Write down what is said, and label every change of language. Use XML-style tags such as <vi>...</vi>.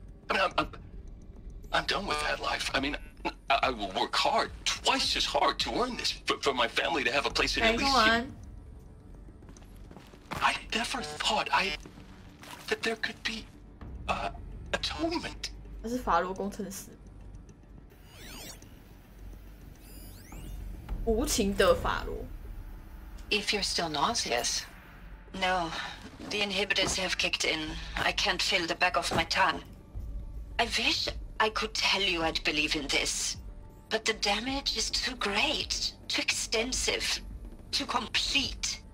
<en>I mean, I'm done with that life. I mean, I will work hard, twice as hard, to earn this for my family to have a place in Elysium. Hang on. I never thought I'd... That there could be atonement.</en> <zh>他是法罗工程师，无情的法罗。</zh> <en>If you're still nauseous, no, the inhibitors have kicked in. I can't feel the back of my tongue. I wish I could tell you I'd believe in this, but the damage is too great, too extensive, too complete.</en>